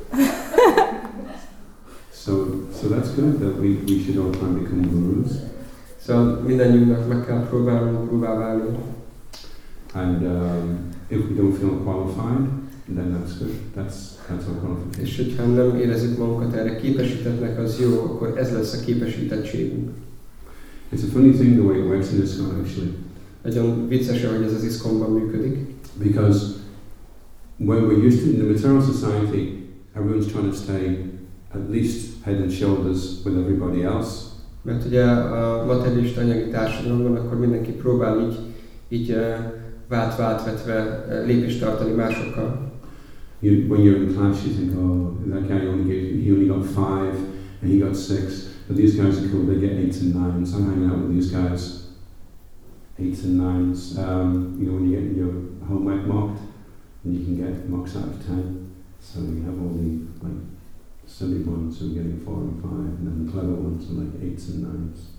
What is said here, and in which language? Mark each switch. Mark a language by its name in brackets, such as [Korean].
[English] So that's good that we should all try and become gurus. [Hungarian] So mindannyiunknak meg kell próbálnunk gurúvá válni. [English] And if we don't feel qualified, then that's good. That's our qualification. [Hungarian] És hogyha nem érezzük magunkat erre képesítetnek, az jó, akkor ez lesz a képesítettségünk. [English] It's a funny thing the way it works in ISKCON actually. [Hungarian] Nagyon vicces, hogy ez az ISKCON-ban működik. [English] Because when we're used to in the material society, everyone's trying to stay at least head and shoulders with everybody else. [Hungarian] Mert ugye a materialista anyagi társadalomban, akkor mindenki próbál így vált-vetve lépést tartani másokkal. [English] When you're in class, you think, oh, that guy he only got 5, and he got 6, but these guys are cool, they get 8 and 9s. I'm hanging out with these guys, 8 and 9s. When you get your homework mocked, and you can get mocks out of 10, so you have all the like silly ones who are getting 4 and 5, and then the clever ones are like 8s and 9s.